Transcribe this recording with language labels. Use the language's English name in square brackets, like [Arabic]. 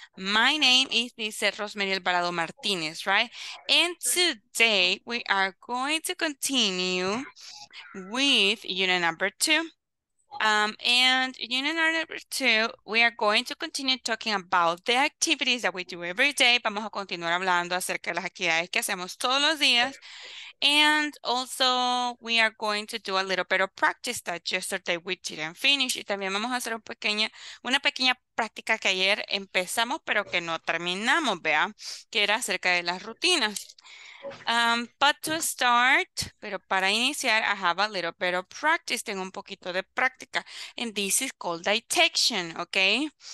[English] My name is Lizeth Rosemary Alvarado Martinez, right? And today we are going to continue with unit number 2. And unit number 2, we are going to continue talking about the activities that we do every day. [Spanish] Vamos a continuar hablando acerca de las actividades que hacemos todos los días. [English] And also, we are going to do a little bit of practice that yesterday we didn't finish. [Spanish] Y también vamos a hacer una pequeña práctica que ayer empezamos, pero que no terminamos, vea, que era acerca de las rutinas. [English] But to start, [Spanish] pero para iniciar, [English] I have a little bit of practice, [Spanish] tengo un poquito de práctica, [English] and this is called dictation, okay?